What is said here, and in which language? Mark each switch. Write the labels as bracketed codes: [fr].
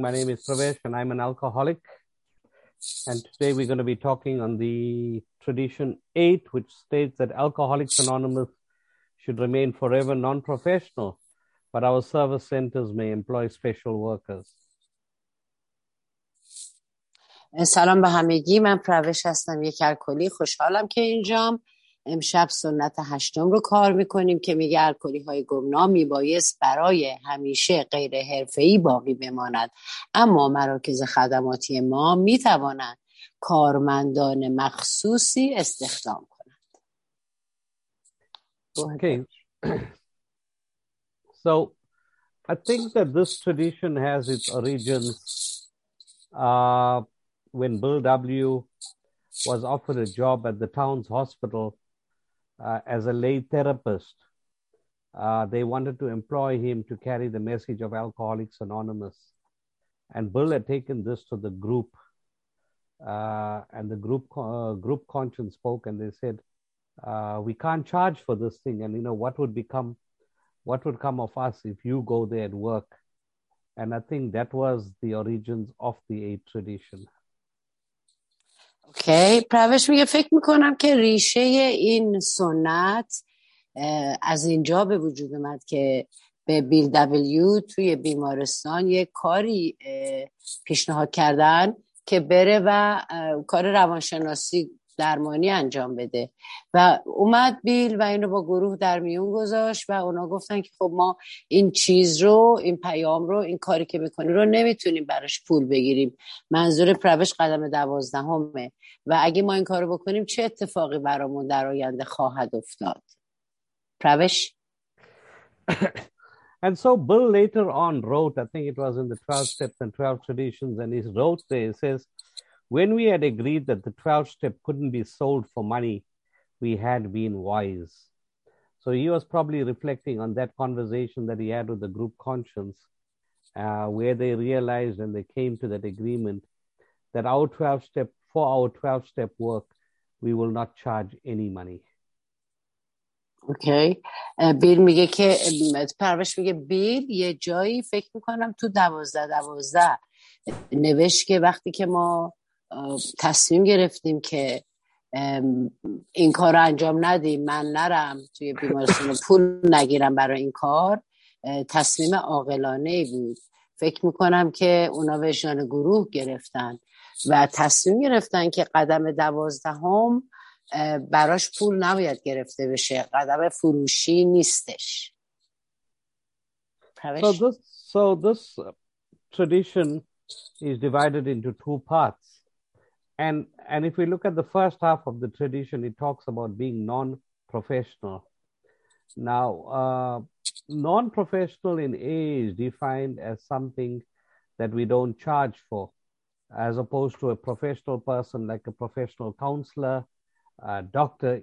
[en] My name is Pravesh and I'm an alcoholic. And today we're going to be talking on the tradition 8, which states that Alcoholics Anonymous should remain forever non-professional, but our service centers may employ special workers. [fa] سلام به همگی، من پروش هستم، یک الکلی. خوشحالم که اینجام. امشب سنت هشتم رو کار میکنیم که میگه الکلی های گمنام میبایست برای همیشه غیر حرفه‌ای باقی بماند، اما مراکز خدماتی ما میتوانند کارمندان مخصوصی استخدام کنند. [en] Okay, so I think that this tradition has its origins when Bill W. was offered a job at the town's hospital as a lay therapist. They wanted to employ him to carry the message of Alcoholics Anonymous. And Bill had taken this to the group, and the group conscience spoke, and they said, we can't charge for this thing. And, you know, what would come of us if you go there and work? And I think that was the origins of the eight tradition. Okay. [fa] پروش میگه فکر میکنم که ریشه این سنت از اینجا به وجود اومد که به بیل دبلیو توی بیمارستان یه کاری پیشنهاد کردن که بره و کار روانشناسی درمانی انجام بده، و اومد بیل و اینو با گروه در میون گذاشت و اونا گفتن که خب ما این چیز رو، این پیام رو، این کاری که میکنی رو نمیتونیم براش پول بگیریم. منظور پروش قدم 12 و اگه ما این کار رو بکنیم چه اتفاقی برامون در آینده خواهد افتاد؟ پروش. [en] And so Bill later on wrote, I think it was in the 12 steps and 12 traditions, and he wrote there, he says, when we had agreed that the 12th step couldn't be sold for money, we had been wise. So he was probably reflecting on that conversation that he had with the group conscience, where they realized and they came to that agreement that for our 12th step work, we will not charge any money. Okay. [fa] بیل میگه که پروش میگه بیل یه جایی فکر میکنم تو 12 نوشت که وقتی که ما تصمیم گرفتیم که این کار رو انجام ندیم، من نرم توی بیمارستان پول نگیرم برای این کار، تصمیم عاقلانه بود. فکر میکنم که اونا وجدان گروه گرفتن و تصمیم گرفتن که قدم 12 براش پول نباید گرفته بشه، قدم فروشی نیستش. [en] So this tradition is divided into two parts. And if we look at the first half of the tradition, it talks about being non-professional. Now, non-professional in AA is defined as something that we don't charge for, as opposed to a professional person like a professional counselor, doctor.